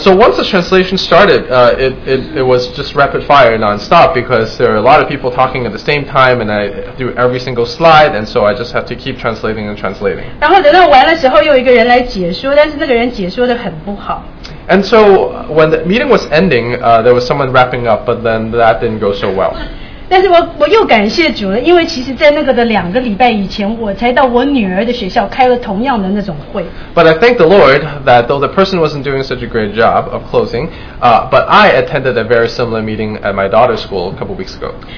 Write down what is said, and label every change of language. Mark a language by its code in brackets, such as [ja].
[en] so once the translation started, it was just rapid fire nonstop because there are a lot of people talking at the same time, and I do every single slide, and so I just have to keep translating and translating. [zh] 然后等到完了时候，又有一个人来解说，但是那个人解说的很不好。 [en] And so when the meeting was ending, there was someone wrapping up, but then that didn't go so well. [zh] 但是我又感谢主了，因为其实在那个的两个礼拜以前，我才到我女儿的学校开了同样的那种会。 [en] But I thank the Lord that though the person wasn't doing such a great job of closing, but I attended a very similar meeting at my daughter's school a couple weeks ago.